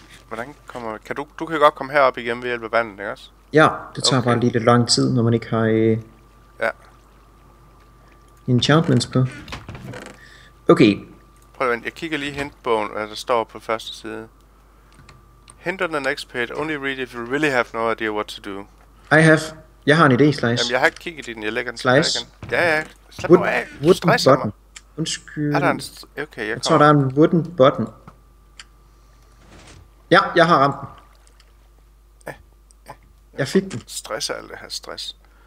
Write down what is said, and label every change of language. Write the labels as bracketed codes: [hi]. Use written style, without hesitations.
[da] Hvordan kommer... Du kan godt komme herop igen ved hjælp af vandet, ikke også? Ja, det tager bare lige lidt lang tid, når man ikke har... Ja. Enchantments på. Okay. Prøv at vente, jeg kigger lige hintbogen, hvad der står på første side. [en] Hint on the next page. Only read if you really have no idea what to do. I have... [da] Jeg har en idé, Slice. Jamen, jeg har ikke kigget i den. Jeg lægger den tilbage igen. Slice? Ja. Slap mig af. [en] Wooden button. Undskyld. [da] Er der en... Okay, jeg tror, der er en wooden button. Ja, jeg har ramt den. Jeg fik den. Stress er alt det her stress.